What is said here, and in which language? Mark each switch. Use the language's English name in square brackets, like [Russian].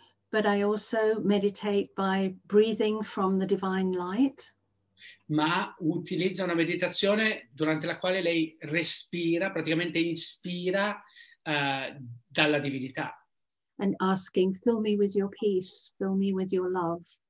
[English] But I also meditate by breathing from the divine light. [Italian] Ma utilizza una meditazione durante la quale lei respira, praticamente inspira dalla divinità. [English] And asking, fill me with your peace, fill me with your love.